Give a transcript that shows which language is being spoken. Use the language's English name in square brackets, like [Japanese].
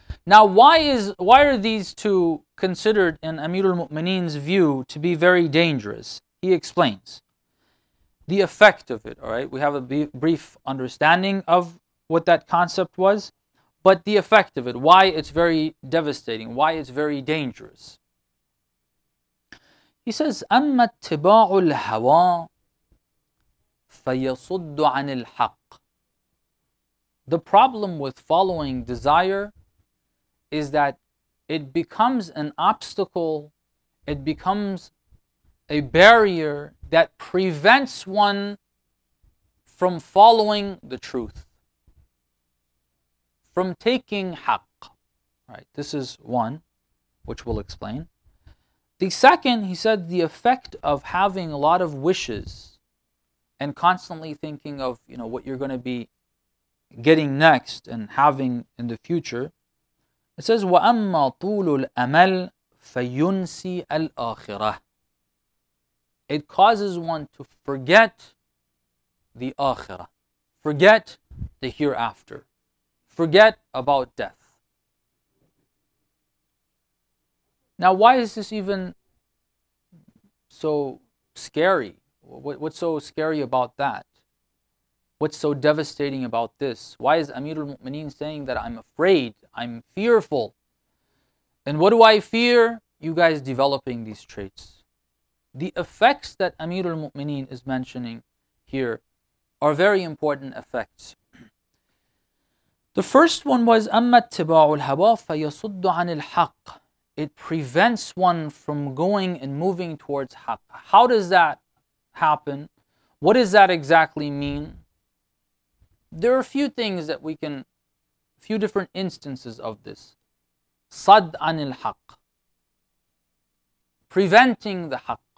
[English] Now, why are these two considered in Amir al-Mu'mineen's view to be very dangerous? He explains the effect of it, all right? We have a brief understanding of what that concept was. But the effect of it, why it's very devastating, why it's very dangerous. [Arabic] He says, أَمَّا اتِّبَاعُ الْهَوَىٰ فَيَصُدُّ عَنِ الْحَقِّ. [English] The problem with following desire is that it becomes an obstacle, it becomes a barrier that prevents one from following the truth, from taking haqq. Right, this is one, which we'll explain. The second, he said, the effect of having a lot of wishes and constantly thinking of, you know, what you're going to be getting next and having in the future. [Arabic] It says, وَأَمَّا طُولُ الْأَمَلْ فَيُنْسِي الْآخِرَةِ. [English] It causes one to forget the akhirah, forget the hereafter, forget about death. Now, why is this even so scary? What's so scary about that? What's so devastating about this? Why is Amir al-Mu'mineen saying that I'm afraid, I'm fearful? And what do I fear? You guys developing these traits. The effects that Amir al-Mu'mineen is mentioning here are very important effects. [Arabic] The first one was, أَمَّا اتِّبَاعُ الْهَوَىٰ فَيَصُدُّ عَنِ الْحَقِّ. [English] It prevents one from going and moving towards haqq. How does that happen? What does that exactly mean? There are a few things that we can, a few different instances of this. Sad anil haqq. Preventing the haqq.